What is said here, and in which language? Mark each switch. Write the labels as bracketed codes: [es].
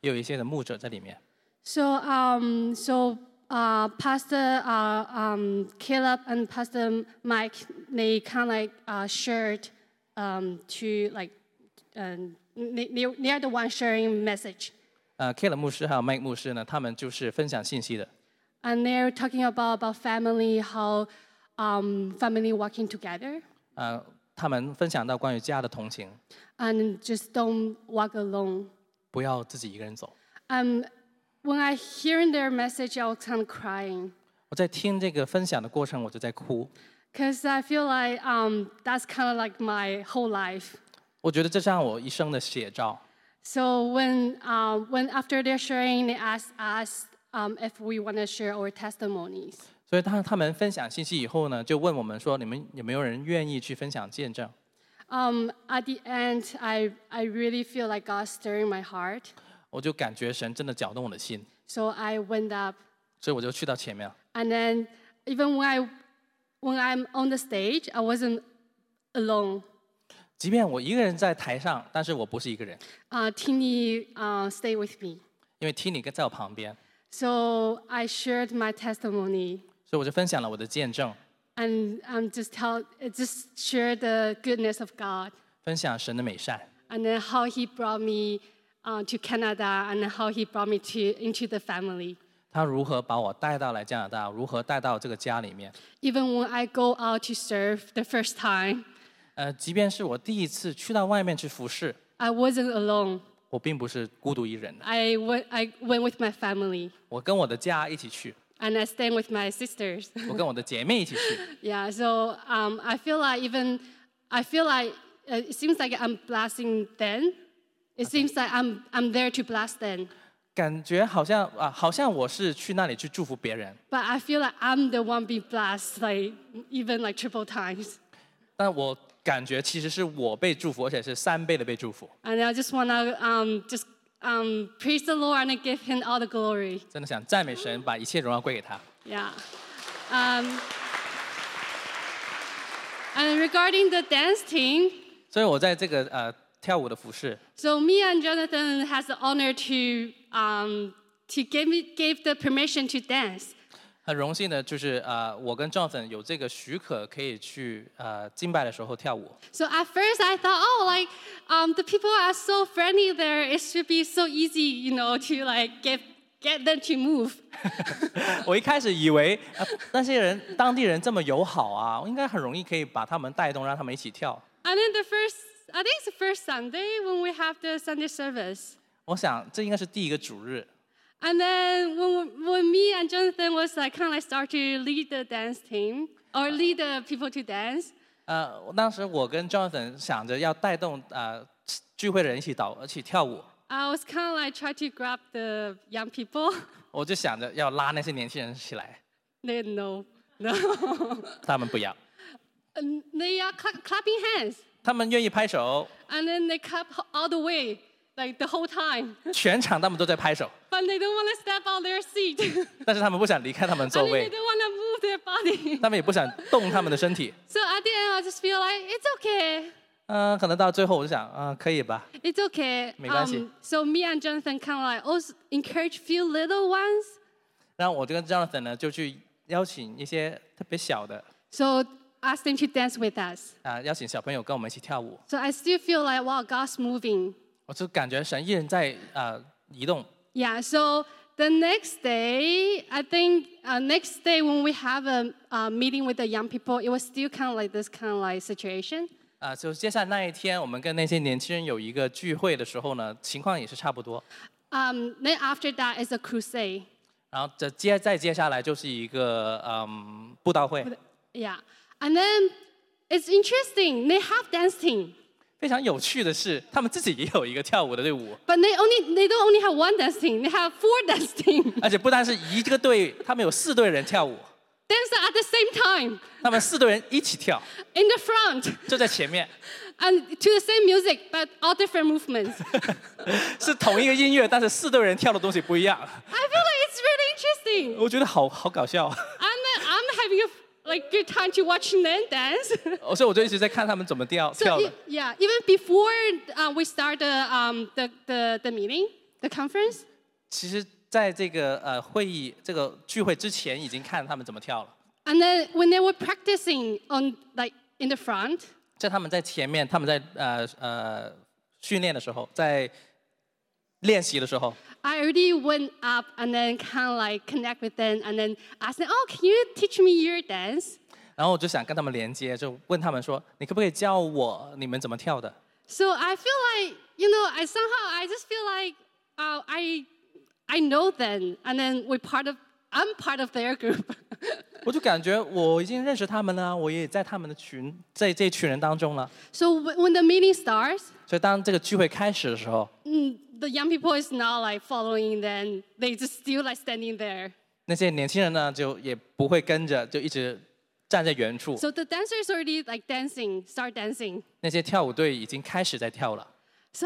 [zh] 我们去到这个书院，这个书院当中其实不单只是有那些孩子学生，也有一些的牧者在里面。 [en] So Pastor Caleb and Pastor Mike, they kind of like shared to like, they are the one sharing message. [zh] Caleb 牧师还有 Mike 牧师呢，他们就是分享信息的。 [en] And they're talking about family, how family working together. [zh] 他们分享到关于家的同情。 [en] And just don't walk alone. [zh] 不要自己一个人走。 [en] When I hear their message, I was kind of crying. [zh] 我在听这个分享的过程，我就在哭。 [en] Because I feel like that's kind of like my whole life. [zh] 我觉得这像我一生的写照。 [en] So when after their sharing, they asked us if we want to share our testimonies. [zh] 所以当他们分享信息以后呢，就问我们说，你们有没有人愿意去分享见证？ [en] At the end, I really feel like God stirring my heart. [zh] 我就感觉神真的搅动我的心。 [en] So I went up. [zh] 所以我就去到前面。 [en] And then even when I'm on the stage, I wasn't alone. [zh] 即便我一个人在台上，但是我不是一个人。 [en] Tini stay with me. [zh] 因为Tini在我旁边。 [en] So I shared my testimony. [zh] 所以我就分享了我的见证。 [en] And I'm just share the goodness of God. [zh] 分享神的美善。 [en] And then how He brought me to Canada, and how He brought me into the family. [zh] 他如何把我带到来加拿大，如何带到这个家里面。 [en] Even when I go out to serve the first time. [zh] 即便是我第一次去到外面去服侍。 [en] I wasn't alone. [zh] 我并不是孤独一人的。 [en] I went with my family. [zh] 我跟我的家一起去。 [en] And I stand with my sisters. [zh] 我跟我的姐妹一起去。 [en] Yeah, so it seems like I'm blessing them. It seems like I'm there to bless them. [zh] 感觉好像我是去那里去祝福别人。 [en] But I feel like I'm the one being blessed, like even like triple times. [zh] 但我感觉其实是我被祝福，而且是三倍的被祝福。 [en] And I just wanna praise the Lord and give Him all the glory. [zh] 真的想赞美神，把一切荣耀归给他。 [en] Yeah. And regarding the dance team. [zh] 所以我在这个 跳舞的服饰。 [en] So me and Jonathan has the honor to give the permission to dance. [zh] 很荣幸的就是 我跟 Jonathan 有这个许可可以去 敬拜的时候跳舞。 [en] So at first I thought, oh, like the people are so friendly there, it should be so easy, you know, to like get them to move. [zh] 我一开始以为 那些人当地人这么友好啊，应该很容易可以把他们带动，让他们一起跳。 [en] And then I think it's the first Sunday when we have the Sunday service. [zh] 我想这应该是第一个主日。 [en] And then when me and Jonathan was like kind of like start to lead the dance team or lead the people to dance. [zh] 当时我跟 Jonathan 想着要带动 聚会的人一起跳舞。 [en] I was kind of like try to grab the young people. [zh] 我就想着要拉那些年轻人起来。 [en] They no. [zh] 他们不要。 [en] They are clapping hands. [zh] 他们愿意拍手。 [en] And then they clap all the way. Like the whole time. [zh] 全场他们都在拍手。 [en] But they don't want to step on their seat. [zh] 但是他们不想离开他们座位。 [en] And they don't want to move their body. [zh] 他们也不想动他们的身体。 [en] So at the end, I just feel like, it's okay. [zh] 可能到最后我就想, 可以吧。 [en] It's okay. [zh] 没关系。 [en] So me and Jonathan kind of like also encourage few little ones. [zh] 然后我跟 Jonathan 呢, 就去邀请一些特别小的。 [en] So ask them to dance with us. [zh] 邀请小朋友跟我们一起跳舞。 [en] So I still feel like, wow, God's moving. [zh] 我就感觉神一人在 移动。 [en] Yeah, so the next day, I think next day when we have a meeting with the young people, it was still kind of like this kind of like situation. [zh] 就接下来那一天我们跟那些年轻人有一个聚会的时候呢，情况也是差不多。 [en] Then after that is a crusade. [zh] 然后再接下来就是一个 布道会。 [en] Yeah, and then it's interesting, they have dance team. [zh] 非常有趣的是，他们自己也有一个跳舞的队伍。 [en] But they don't only have one dance team, they have four dance team. [zh] 而且不单是一个队，他们有四队人跳舞。 [en] Dance at the same time. [zh] 他们四队人一起跳。 [en] In the front. [zh] 就在前面。 [en] And to the same music, but all different movements. [zh] 是同一个音乐，但是四队人跳的东西不一样。 [en] I feel like it's really interesting. [zh] 我觉得好搞笑。 [en] I'm having a like good time to watch them dance. [zh] 所以我就一直在看他们怎么跳的。 [en] Yeah, even before we start the meeting, the conference. [zh] 其实在这个会议，这个聚会之前已经看他们怎么跳了。 [en] And then when they were practicing on like in the front. [zh] 在他们在前面，他们在训练的时候，在练习的时候, [en] I already went up and then kind of like connect with them and then ask them, oh, can you teach me your dance? [zh] 然后我就想跟他们连接, 就问他们说, 你可不可以教我你们怎么跳的? [en] So I feel like, you know, I know them and then I'm part of their group. [zh] 我就感觉我已经认识他们了，我也在他们的群，在这群人当中了。 [en] So when the meeting starts, [zh] 所以当这个聚会开始的时候, [en] the young people is not like following them. They just still like standing there. [zh] 那些年轻人呢，就也不会跟着，就一直站在原处。 [en] So the dancers already like dancing, start dancing. [zh] 那些跳舞队已经开始在跳了。 [en] So